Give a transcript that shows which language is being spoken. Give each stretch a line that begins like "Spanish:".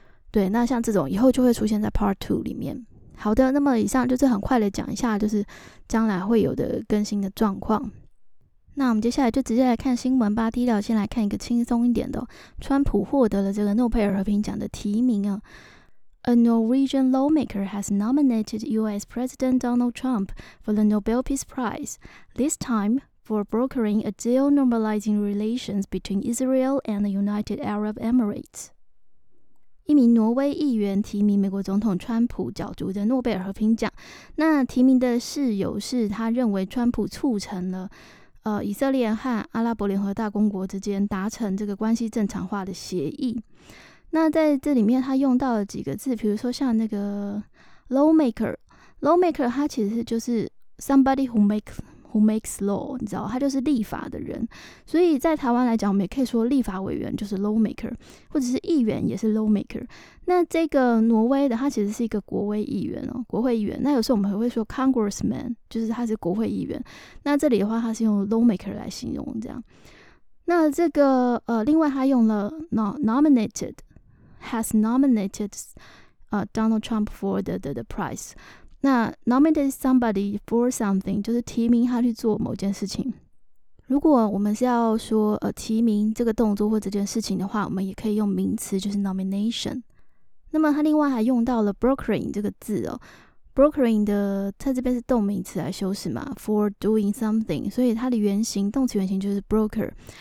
Chinese: 对，那像这种以后就会出现在 part 2里面。好的，那么以上就是很快的讲一下就是将来会有的更新的状况。那我们接下来就直接来看新闻吧。第一条先来看一个轻松一点的，川普获得了这个诺贝尔和平奖的提名啊。
English: A Norwegian lawmaker has nominated U.S. President Donald Trump for the Nobel Peace Prize, this time for brokering a deal normalizing relations between Israel and the United Arab Emirates.
Chinese: 一名挪威议员提名美国总统川普角逐的诺贝尔和平奖。那提名的事由是他认为川普促成了以色列和阿拉伯联合大公国之间达成这个关系正常化的协议。那在这里面他用到了几个字，比如说像那个 lawmaker 他其实就是
English: somebody who makes law，
Chinese: 你知道他就是立法的人，所以在台湾来讲我们也可以说立法委员就是 lawmaker， 或者是议员也是 lawmaker。那这个挪威的他其实是一个国会议员哦，国会议员。那有时候我们会说 congressman， 就是他是国会议员，那这里的话他是用 lawmaker 来形容这样。那这个另外他用了
English: has nominated Donald Trump for the prize。
Chinese: 那
English: nominate somebody for something
Chinese: 就是提名他去做某件事情。如果我们是要说提名这个动作或这件事情的话，我们也可以用名词，就是 nomination。那么他另外还用到了 brokering 这个字哦。brokering 的它这边是动名词来修饰嘛，
English: for doing something，
Chinese: 所以它的原型动词原型就是 broker。